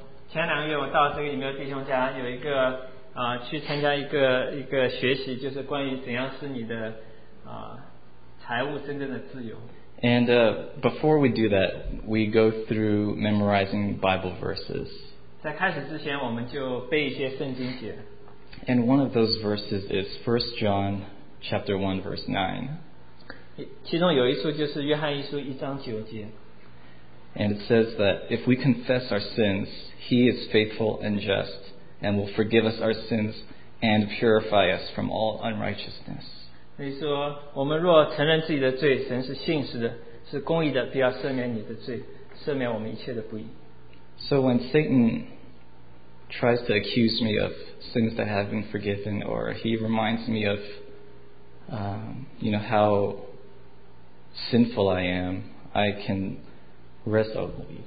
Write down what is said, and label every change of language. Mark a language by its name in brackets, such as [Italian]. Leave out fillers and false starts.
[Chinese] 前两个月我到这个以苗弟兄家有一个。去参加一个学习，就是关于怎样使你的财务真正的自由。 [English] And before we do that, we go through memorizing Bible verses. [Chinese] 在开始之前，我们就背一些圣经节。 [English] And one of those verses is 1 John chapter 1 verse 9. [Chinese] 其中有一处就是约翰一书一章九节。 [English] And it says that if we confess our sins, He is faithful and just and will forgive us our sins and purify us from all unrighteousness. [Chinese] 所以说, 我们若承认自己的罪, 神是信实的, 是公义的, 必要赦免你的罪, 赦免我们一切的不义。 [English] So when Satan tries to accuse me of sins that have been forgiven, or he reminds me of how sinful I am, I can rest on the